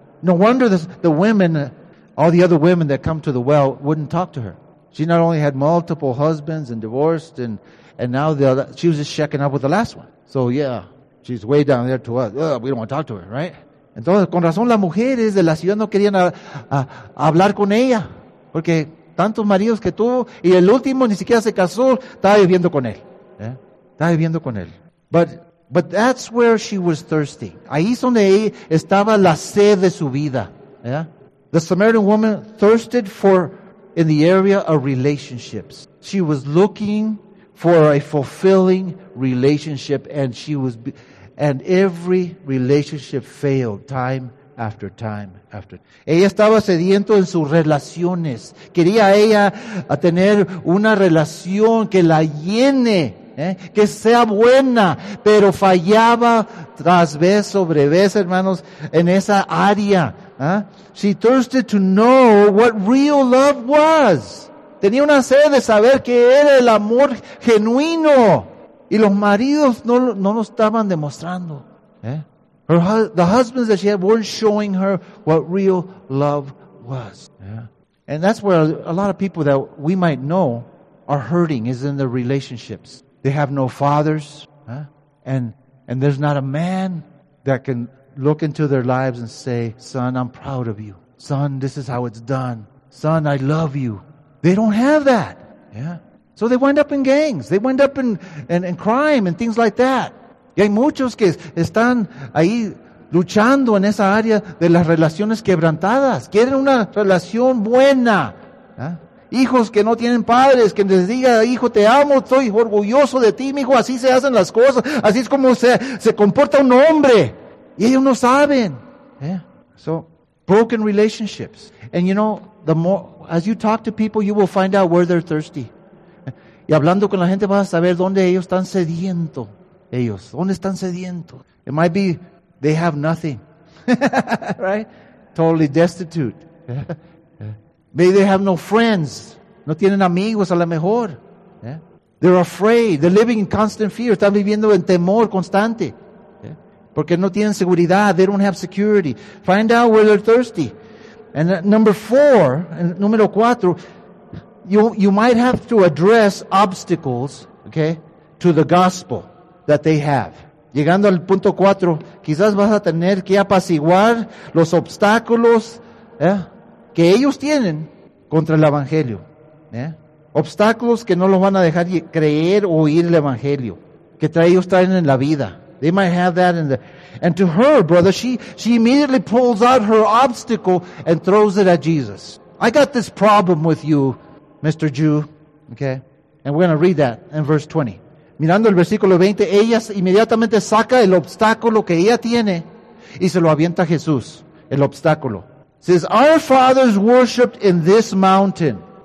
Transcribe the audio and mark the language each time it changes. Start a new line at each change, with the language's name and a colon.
English: No wonder the women, all the other women that come to the well, wouldn't talk to her. She not only had multiple husbands and divorced, and now she was just checking up with the last one. So yeah, she's way down there to us. Ugh, we don't want to talk to her, right?
Spanish: Entonces, con razón, las mujeres de la ciudad no querían hablar con ella. Porque tantos maridos que tuvo, y el último ni siquiera se casó, estaba viviendo con él. ¿Eh? Estaba viviendo con él.
English: But that's where she was thirsty.
Spanish: Ahí es donde estaba la sed de su vida. ¿Eh?
English: The Samaritan woman thirsted for, in the area of relationships. She was looking for a fulfilling relationship, and she was... And every relationship failed time after time after.
Spanish: Ella estaba sediento en sus relaciones. Quería ella a tener una relación que la llene, que sea buena, pero fallaba tras vez sobre vez, hermanos, en esa área.
English: She thirsted to know what real love was.
Spanish: Tenía una sed de saber qué era el amor genuino. Y los maridos no lo estaban demostrando. ¿Eh?
English: The husbands that she had weren't showing her what real love was. ¿Eh? And that's where a lot of people that we might know are hurting, is in their relationships. They have no fathers. ¿Eh? And there's not a man that can look into their lives and say, son, I'm proud of you. Son, this is how it's done. Son, I love you. They don't have that. Yeah. So they wind up in gangs. They wind up in crime and things like that.
Spanish: Y hay muchos que están ahí luchando en esa área de las relaciones quebrantadas. Quieren una relación buena. ¿Eh? Hijos que no tienen padres, que les diga, hijo, te amo, estoy orgulloso de ti, mi hijo. Así se hacen las cosas. Así es como se comporta un hombre. Y ellos no saben. ¿Eh?
English: So, broken relationships. And you know, the more as you talk to people, you will find out where they're thirsty.
Spanish: Y hablando con la gente vas a saber dónde ellos están sediento. Ellos, ¿dónde están sediento?
English: It might be they have nothing. Right? Totally destitute. Maybe they have no friends.
Spanish: No tienen amigos a lo mejor.
English: Yeah? They're afraid. They're living in constant fear.
Spanish: Están viviendo en temor constante.
English: Yeah?
Spanish: Porque no tienen seguridad.
English: They don't have security. Find out where they're thirsty. And
Spanish: número cuatro,
English: You might have to address obstacles, okay, to the gospel that they have.
Spanish: Llegando al punto cuatro, quizás vas a tener que apaciguar los obstáculos que ellos tienen contra el evangelio. Yeah? Obstáculos que no los van a dejar creer o oír el evangelio que ellos traen en la vida.
English: They might have that in the. And to her, brother, she immediately pulls out her obstacle and throws it at Jesus. I got this problem with you, Mr. Jew, okay? And we're going to read that in verse 20.
Spanish: Mirando el versículo 20, ella inmediatamente saca el obstáculo que ella tiene y se lo avienta a Jesús, el obstáculo.
English: It says, our fathers worshipped in this mountain.